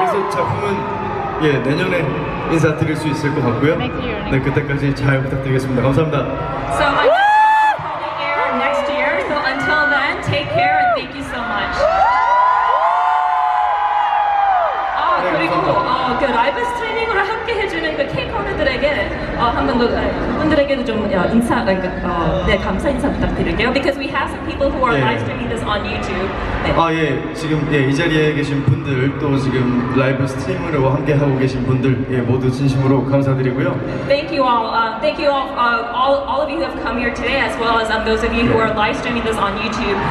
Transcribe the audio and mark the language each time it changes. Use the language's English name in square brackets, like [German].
[Korean] 작품은 예 내년에 인사드릴 수 있을 것 같고요. 네 그때까지 잘 부탁드리겠습니다. 감사합니다. [English] So my next will be air next year. So until then, take care and thank you so much. [Korean] 아 네, 그리고 그 라이브 스트리밍으로 함께 해주는 그 K-Con들에게 한번 더 그분들에게도 좀 인사 네 감사 인사 부탁드릴게요. [English] Because we have some people who are 네. live streaming this on YouTube. 네. [Korean] 아 예, 지금 예, 이 자리에 계신 분들 또 지금 라이브 스트리밍으로 함께 하고 계신 분들 예, 모두 진심으로 감사드리고요. [English] Thank you all. Thank you all of you who have come here today as well as those of you 네. who are live streaming this on YouTube.